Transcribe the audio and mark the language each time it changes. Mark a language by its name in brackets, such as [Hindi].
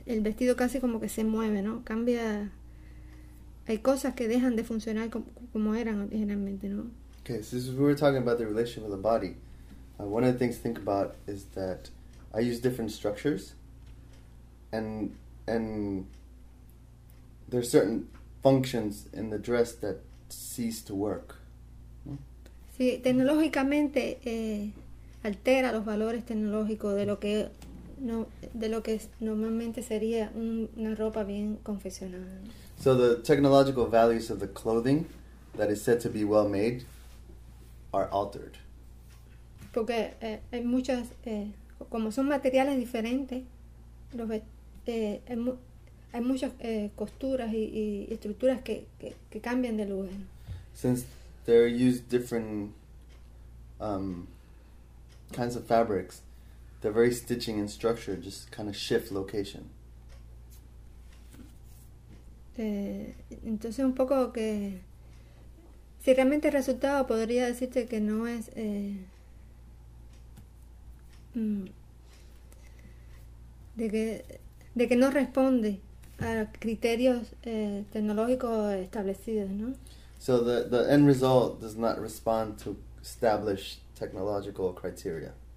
[Spanish] El vestido casi como que se mueve, ¿no? Cambia. Hay cosas que dejan de funcionar como eran originalmente, ¿no? [English] Okay, since we were talking about the relation with the body, one of the things to think about is that I use different structures, and there are certain functions in the dress that cease to work. [Spanish] Sí, tecnológicamente altera los valores tecnológicos de lo que no, de lo que normalmente sería una ropa bien confeccionada. [English] So the technological values of the clothing that is said to be well made are altered. [Spanish] Porque hay muchas, como son materiales diferentes, hay muchas costuras y estructuras que cambian de lugar. [English] Since they're used different kinds of fabrics, the very stitching and structure just kind of shift location. [Spanish] Entonces un poco que si realmente el resultado podría decirte que no es de que no responde a criterios tecnológicos establecidos, ¿no? [English] So the end result does not respond to established technological criteria.